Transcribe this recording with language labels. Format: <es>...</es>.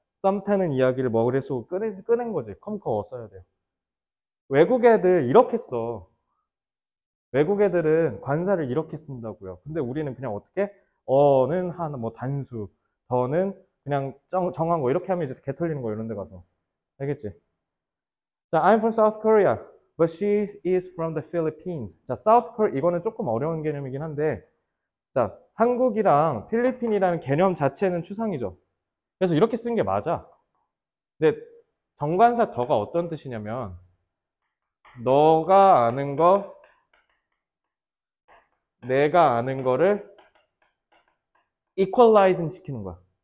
<ko>썸 타는 이야기를 머리 속으로 꺼낸 거지. 컴컴 써야 돼요. 외국 애들 이렇게 써. 외국 애들은 관사를 이렇게 쓴다고요. 근데 우리는 그냥 어떻게? 어는 한뭐 단수, 더는 그냥 정한 거 이렇게 하면 이제 개털리는 거 이런 데 가서. 알겠지?</ko> <en>자, I'm from South Korea, but she is from the Philippines.</en> <ko>자, South Korea 이거는 조금 어려운 개념이긴 한데. 자, 한국이랑 필리핀이라는 개념 자체는 추상이죠. 그래서 이렇게 쓴게 맞아. 근데 정관사 더가 어떤 뜻이냐면, 너가 아는 거, 내가 아는 거를 equalizing 시키는 거야.</ko>